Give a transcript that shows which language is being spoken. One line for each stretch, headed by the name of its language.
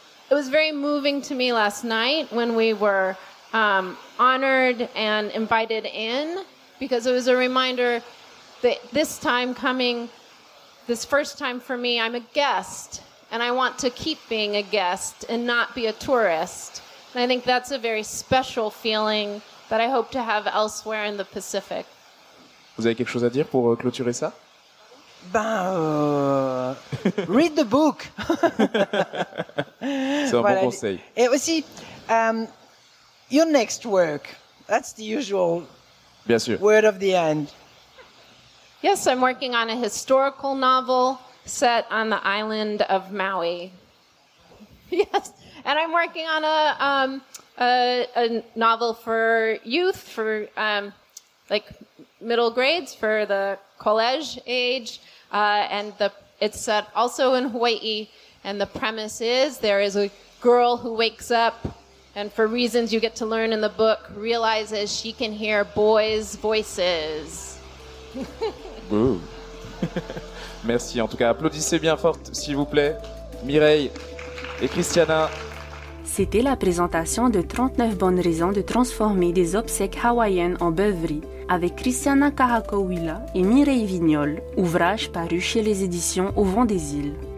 English: It was very moving to me last night when we were honored and invited in, because it was a reminder that this time coming, this first time for me, I'm a guest. And I want to keep being a guest and not be a tourist. And I think that's a very special feeling that I hope to have elsewhere in the Pacific.
French: Vous avez quelque chose à dire pour clôturer ça?
English: Read the book.
French: C'est un bon conseil. Et aussi,
English: your next work, that's the usual
French: Bien sûr.
English: Word of the end. Yes, I'm working on a historical novel set on the island of Maui. Yes, and I'm working on a novel for youth, for like middle grades, for the college age, it's set also in Hawaii, and the premise is there is a girl who wakes up, and for reasons you get to learn in the book, realizes she can hear boys' voices.
French: Ooh. Merci. En tout cas, applaudissez bien fort, s'il vous plaît, Mireille et Christiana. C'était la présentation de 39 bonnes raisons de transformer des obsèques hawaïennes en beuveries avec Christiana Kahakouila et Mireille Vignol, ouvrage paru chez les éditions Au Vent des Îles.